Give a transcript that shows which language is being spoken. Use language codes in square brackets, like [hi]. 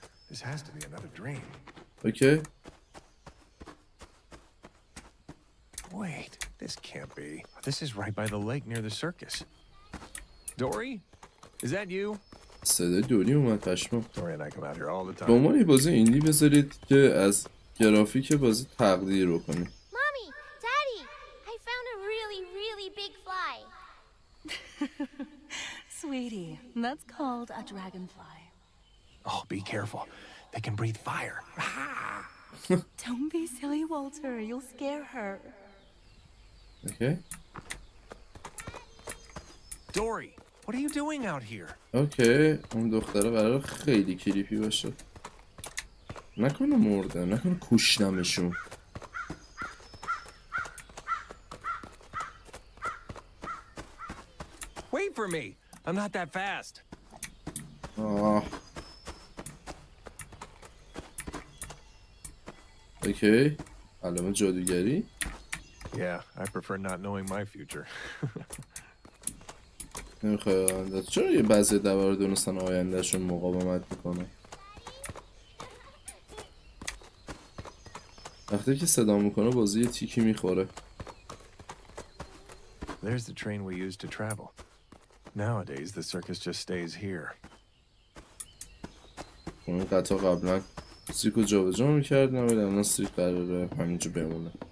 [en] This has to be another dream. Okay. Wait. This can't be. This is right by the lake near the circus. Dory? Is that you? [fa] صدای دوری اومد پشمام. [en] Dory and I come out here all the time. [fa] به عنوان یه بازی ایندی بذارید که از گرافیک بازی تقدیر رو کنید. [en] Mommy, daddy, I found a really, really big fly. Sweetie, that's called a dragonfly. Oh, be careful. They can breathe fire. Don't be silly, Walter. You'll scare her. Okay. Dory, what are you doing out here? [fa] Okay, اون دختره قرار خیلی کریپی باشه. نکنه مرده، نکنه کشتمشون. [en] Wait for me. I'm not that fast. آه. [fa] Okay. علم جادوگری. [en] Yeah, I prefer not knowing my future. [fa] نمیخواد. چرا یه بعضی دوباره دونستن آیندهشون مقاومت میکنه؟ وقتی که صدا میکنه بازی یه تیکی میخوره. [en] There's the train we used to travel. Nowadays the circus just stays here. [fa] اون قطعا قبلا سیکو جا به جا میکرد نمیده اما سیک قراره همینجا بمونه.